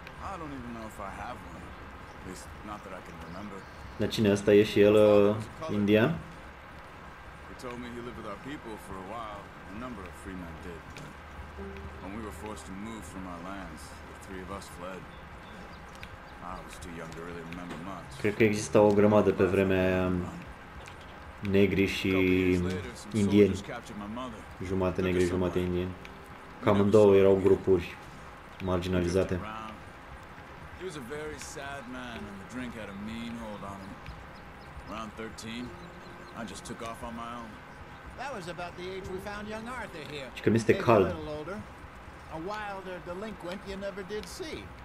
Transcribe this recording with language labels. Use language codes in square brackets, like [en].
[en] I don't even know if I have one. At least, not that I can remember. [ro] Dar cine asta e și el, indian? [en] He told me he lived with our people for a while. A number of free men did. When we were forced to move from our lands, the three of us fled. I was too young to really remember much. [ro] Cred că exista o grămadă pe vremea aia, negri și indieni. Jumate negri, jumate indieni. Cam în două erau grupuri marginalizate. [en] He was a very sad man and the drink had a mean hold on him. Around 13, I just took off on my own. That was about the age we found young Arthur here. [ro] Și că mi-este cald. [en] A wilder delinquent you never did see.